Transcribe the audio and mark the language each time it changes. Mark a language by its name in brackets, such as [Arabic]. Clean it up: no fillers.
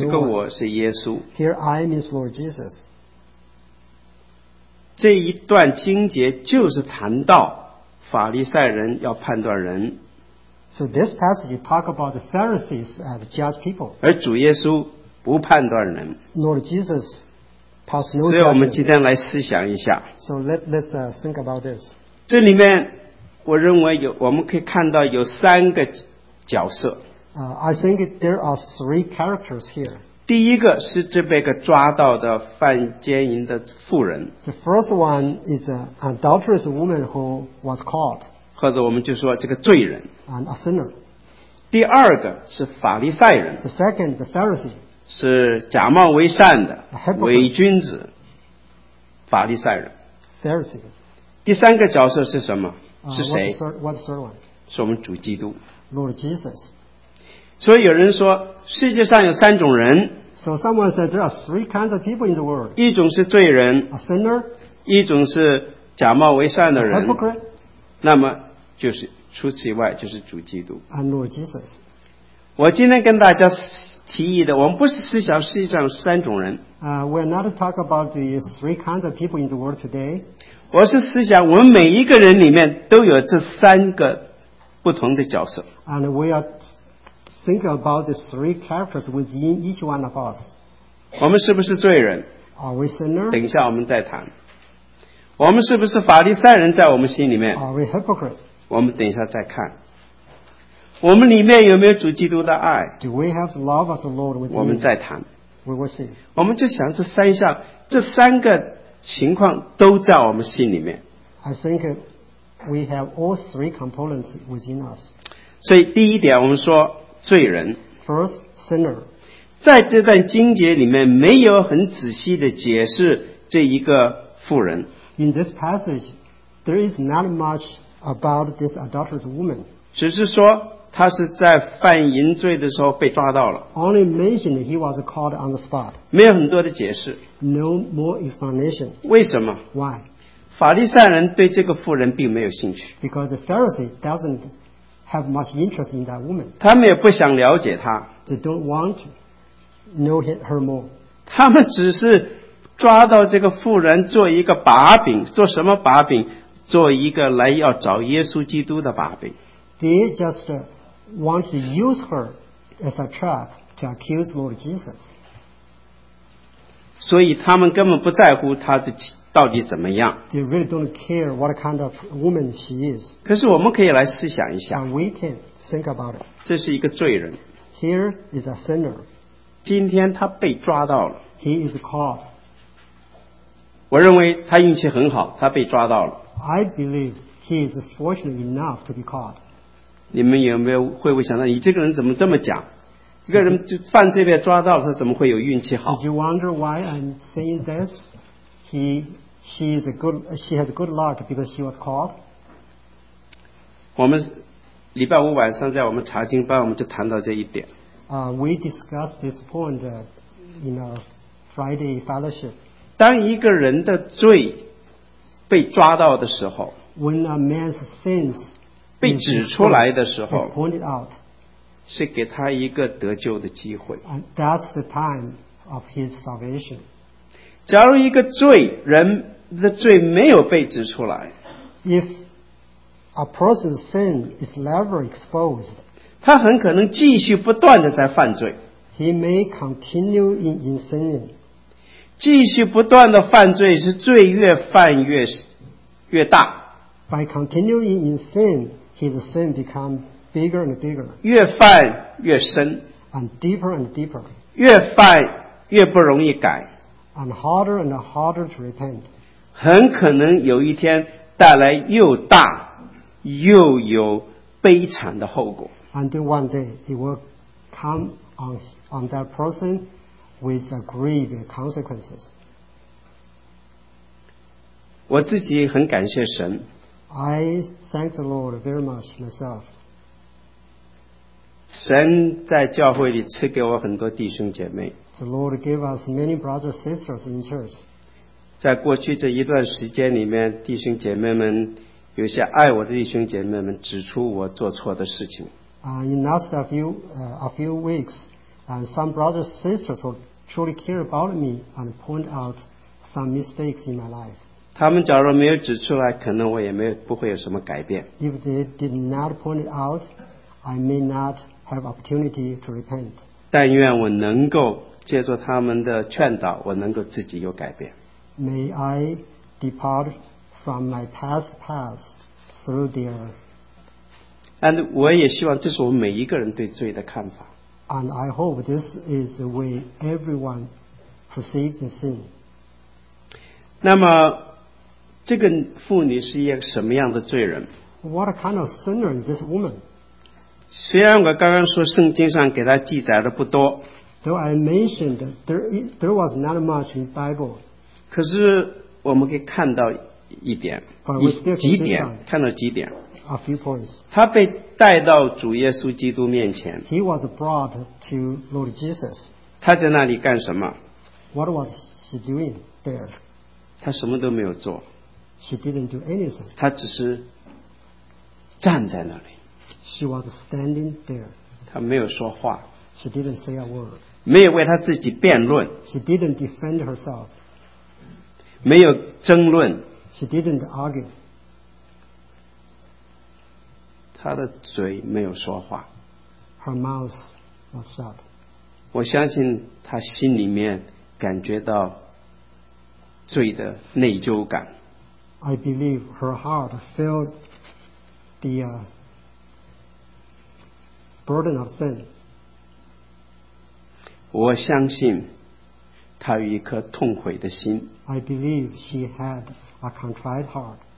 [Chinese] 这个我是耶稣。 [English] Here I means Lord Jesus. [Chinese] 这一段经节就是谈到法利赛人要判断人。 [English] So this passage talk about the Pharisees and judge people. [Chinese] 而主耶稣不判断人。 [English] Lord Jesus pass no judgment. [Chinese] 所以我们今天来思想一下。 [English] So let's think about this. [Chinese] 这里面我认为有我们可以看到有三个角色。 [English] I think there are three characters here. [Chinese] 第一个是这被个抓到的犯奸淫的妇人。 [English] The first one is an adulterous woman who was caught. [Chinese] 或者我们就说这个罪人。 [English] And a sinner. [Chinese] 第二个是法利赛人。 [English] The second, the Pharisee. [Chinese] 是假冒为善的伪君子，法利赛人。 [English] Pharisee. [Chinese] 第三个角色是什么？是谁？ [English] What's the third one? [Chinese] 是我们主基督。 [English] Lord Jesus. [Chinese] 所以有人说世界上有三种人。 [English] So someone said there are three kinds of people in the world. [Chinese] 一种是罪人。 [English] A sinner. [Chinese] 一种是假冒为善的人。 [English] A hypocrite. [Chinese] 那么就是除此以外就是主基督。 [English] And Lord Jesus. [Chinese] 我今天跟大家提议的我们不是思想世界上有三种人。 [English] We're not talk about the three kinds of people in the world today. [Chinese] 我是思想我们每一个人里面都有这三个不同的角色。 [English] And we are... Think about the three characters within each one of us. [Chinese] 我们是不是罪人？ [English] Are we sinner? [Chinese] 等一下我们再谈。我们是不是法利赛人在我们心里面？ [English] Are we hypocrite? [Chinese] 我们等一下再看。我们里面有没有主基督的爱？ [English] Do we have the love of the Lord within us? [Chinese] 我们再谈。 [English] We will see. [Chinese] 我们就想这三项，这三个情况都在我们心里面。 [English] I think we have all three components within us. [Chinese] 所以第一点我们说罪人 [English] First, sinner. [Chinese] 在这段经节里面没有很仔细的解释这一个妇人 [English] In this passage there is not much about this adulterous woman [Chinese] 只是说他是在犯淫罪的时候被抓到了 [English] Only mentioned he was caught on the spot [Chinese] 没有很多的解释 [English] No more explanation [Chinese] 为什么 [English] Why? [Chinese] 法利赛人对这个妇人并没有兴趣 [English] Because the Pharisee doesn'thave much interest in that woman. [Chinese] 他们也不想了解她。 [English] They don't want to know her more. [Chinese] 他们只是抓到这个妇人做一个把柄，做什么把柄？做一个来要找耶稣基督的把柄。 [English] They just want to use her as a trap to accuse Lord Jesus. [Chinese] 所以他们根本不在乎她的到底怎么样 [English] They really don't care what kind of woman she is. [Chinese] 可是我们可以来思想一下 [English] And we can think about it. [Chinese] 这是一个罪人 [English] Here is a sinner. [Chinese] 今天他被抓到了 [English] He is caught. [Chinese] 我认为他运气很好他被抓到了 [English] I believe he is fortunate enough to be caught. [Chinese] 你们有没有会不会想到你这个人怎么这么讲这个人就犯罪被抓到了他怎么会有运气好 [English] Did you wonder why I'm saying this? She had good luck because she was caught. [Chinese] 我们礼拜五晚上在我们查经班，我们就谈到这一点。 [English] We discussed this point in our Friday fellowship. [Chinese] 当一个人的罪被抓到的时候 [English] ，When a man's sins [Chinese] 被指出来的时候 [English] ，pointed out， [Chinese] 是给他一个得救的机会。 [English] And that's the time of his salvation. [Chinese] 假如一个罪人的罪没有被指出来 [English] If a person's sin is never exposed [Chinese] 他很可能继续不断的在犯罪 [English] He may continue in sinning [Chinese] 继续不断的犯罪是罪越犯越大 [English] By continuing in sin his sin becomes bigger and bigger [Chinese] 越犯越深 [English] And deeper and deeper [Chinese] 越犯越不容易改 [English] And harder and harder to repent. [Chinese] 很可能有一天带来又大又有悲惨的后果。 [English] And one day he will come on that person with grieving consequences. [Chinese] 我自己很感谢神。 [English] I thank the Lord very much myself. [Chinese] 神在教会里赐给我很多弟兄姐妹。 [English] The Lord gave us many brothers and sisters in church. [Chinese] 在过去这一段时间里面，弟兄姐妹们，有些爱我的弟兄姐妹们指出我做错的事情。 [English] In the last few weeks, some brothers and sisters who truly care about me and point out some mistakes in my life. [Chinese] 他们假如没有指出来，可能我也没有不会有什么改变。 [English] If they did not point it out, I may not have opportunity to repent. [Chinese] 但愿我能够借助他们的劝导，我能够自己有改变。 [English] May I depart from my past through their. And [Chinese] 我也希望这是我们每一个人对罪的看法。 [English] And I hope this is the way everyone perceives the sin. [Chinese] 那么。这个妇女是一个什么样的罪人？ [English] What kind of sinner is this woman? [Chinese] 虽然我刚刚说圣经上给她记载的不多， [English] Though I mentioned there was not much in the Bible， [Chinese] 可是我们可以看到一点，几点，看到几点， [English] A few points。 [Chinese] 她被带到主耶稣基督面前， [English] He was brought to Lord Jesus。 [Chinese] 她在那里干什么？ [English] What was she doing there? [Chinese] 她什么都没有做。 [English] She didn't do anything. [Chinese] 她只是站在那里。 [English] She was standing there. [Chinese] 她没有说话。 [English] She didn't say a word. [Chinese] 没有为她自己辩论。 [English] She didn't defend herself. [Chinese] 没有争论。 [English] She didn't argue. [Chinese] 她的嘴没有说话。 [English] Her mouth was shut. [Chinese] 我相信她心里面感觉到罪的内疚感。 [English] I believe her heart felt the burden of sin. [Chinese] 我相信她有一颗痛悔的心。 [English] I believe she had a contrite heart.